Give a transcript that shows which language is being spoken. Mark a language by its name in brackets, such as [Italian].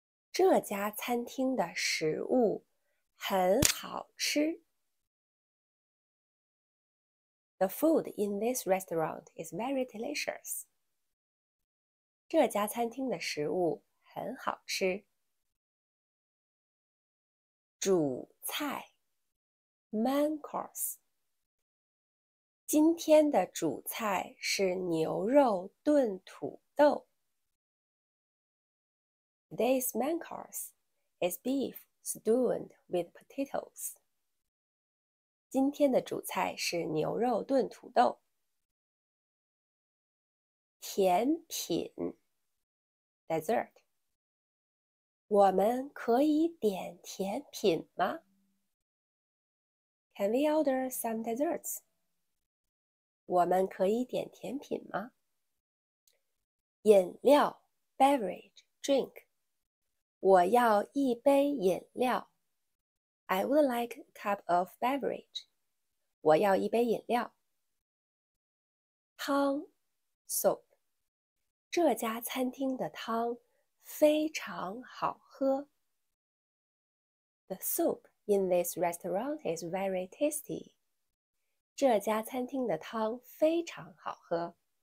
[Chinese] 这家餐厅的食物很好吃。 [English] The food in this restaurant is very delicious。 [Chinese] 这家餐厅的食物很好吃。主菜 （main course）。今天的主菜是牛肉炖土豆。 [English] This main course is beef stewed with potatoes。 [Chinese] 今天的主菜是牛肉炖土豆。甜品。 [English] Dessert， [Chinese] 我们可以点甜品吗？ [English] Can we order some desserts？ [Chinese] 我们可以点甜品吗？饮料，beverage，drink。我要一杯饮料。 [English] I would like a cup of beverage。 [Chinese] 我要一杯饮料。汤，soup。这家餐厅的汤。非常好喝。 [English] The soup in this restaurant is very tasty. [Chinese] 这家餐厅的汤非常好喝。